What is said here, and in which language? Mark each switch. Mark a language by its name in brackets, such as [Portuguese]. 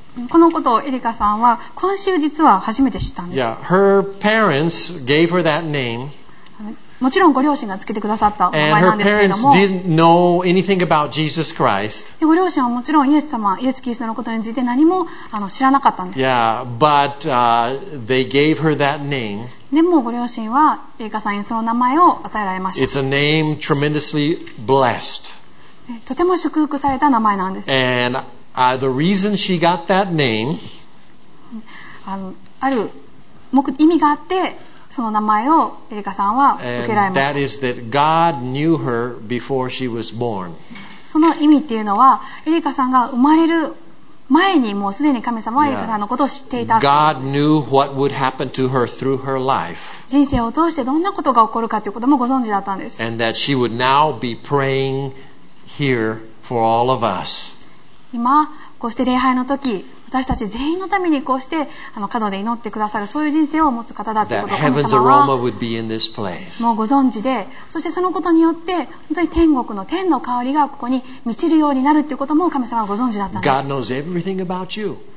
[Japanese] このことをエリカさんは今週実は初めて知ったんです。 [English] Yeah, her parents gave her that name. [Japanese] もちろんご両親がつけてくださった名前なんですけども。 [English] And her parents didn't know anything about Jesus Christ. [Japanese] ご両親はもちろんイエス様、イエスキリストのことについて何も知らなかったんです。 [English] Yeah, but they gave her that name. [Japanese] でもご両親はエリカさんにその名前を与えられました。 [English] It's a name tremendously blessed. [Japanese] とても祝福された名前なんです。 [English] And the reason she got that name. [Japanese] ある意味があって。その名前をエリカさんは受けられました。 [English] And that is that God knew her before she was born. [Japanese] その意味っていうのは、エリカさんが生まれる前にもうすでに神様はエリカさんのことを知っていた。 [English] God knew what would happen to her through her life. [Japanese] 人生を通してどんなことが起こるかということもご存知だったんです。 [English] And that she would now be praying here for all of us. [Japanese] 今こうして礼拝の時、私たち全員のためにこうして角で祈ってくださる、そういう人生を持つ方だということを神様はもうご存知で、そしてそのことによって本当に天国の天の香りがここに満ちるようになるということも神様はご存知だったんです。